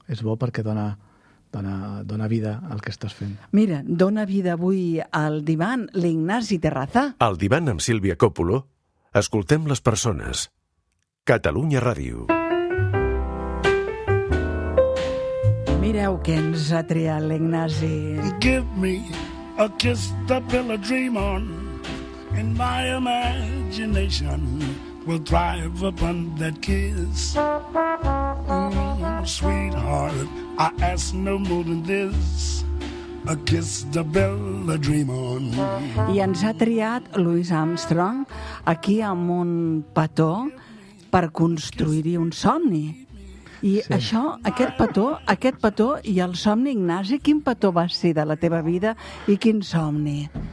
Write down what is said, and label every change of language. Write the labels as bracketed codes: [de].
[ca] És bo perquè dona vida al que estàs fent. Mira, dona vida avui al divan l'Ignasi Terraza. Al divan amb Sílvia Còpolo, escoltem les persones. Catalunya Ràdio. Mireu què ens ha triat l'Ignasi. [en] Give me a kiss to build a dream on in my imagination. We'll drive upon that kiss. Sweetheart, I ask no more than this. A kiss to build a dream on. [ca] I ens ha triat Louis Armstrong aquí amb un petó per construir-hi un somni. I sí. Això, aquest petó i el somni, Ignasi, quin petó va ser de la teva vida i quin somni?